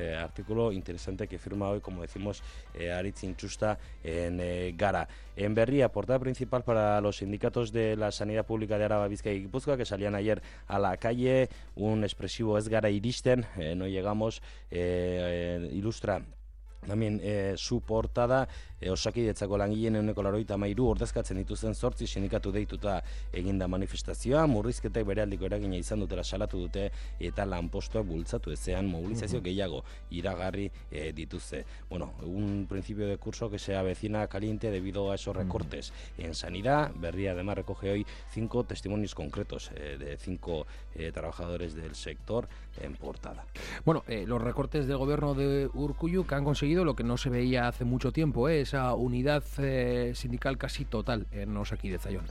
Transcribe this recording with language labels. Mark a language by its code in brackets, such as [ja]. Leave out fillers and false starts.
[es] Artículo interesante que firma hoy, como decimos, Aritz Intxusta en Gara. En Berria, portada principal para los sindicatos de la sanidad pública de Araba, Bizkaia y Gipuzkoa, que salían ayer a la calle, un expresivo [eu] es Gara iristen, [es] no llegamos, ilustra también su portada. [eu] Osakidetzako langileen 183 ordezkatzen dituzten 8 sindikatu deituta eginda manifestazioa, murrizketek berealdiko eragina izan dutela salatu dute eta lanpostuak bultzatu ezean mobilizazio gehiago iragarri dituzte. [es] Bueno, un principio de curso que se avecina caliente debido a esos recortes en sanidad. Berria además recoge hoy 5 testimonios concretos de 5 trabajadores del sector en portada. Bueno, los recortes del gobierno de Urkullu que han conseguido lo que no se veía hace mucho tiempo, esa unidad sindical casi total en Osakidetza.